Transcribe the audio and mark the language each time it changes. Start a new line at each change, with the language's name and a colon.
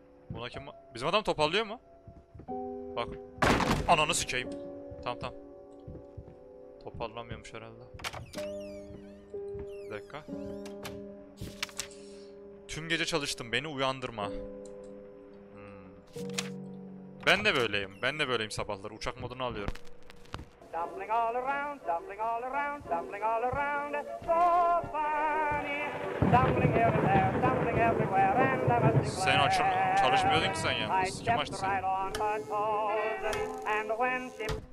Turkish: Buna kim... Bizim adam toparlıyor mu? Bak. Ananı sikeyim. Tamam. Toparlamıyormuş herhalde. Bir dakika. Tüm gece çalıştım. Beni uyandırma. Ben de böyleyim. Ben de böyleyim sabahları. Uçak modunu alıyorum.
English: Dumbling all around, dumbling all around, dumbling all around, so funny. Dumbling here and there, dumbling everywhere, and I must declare.
Turkish: Sen çalışmıyordun ki sen yalnız.
English: I kept right on her toes, and when she...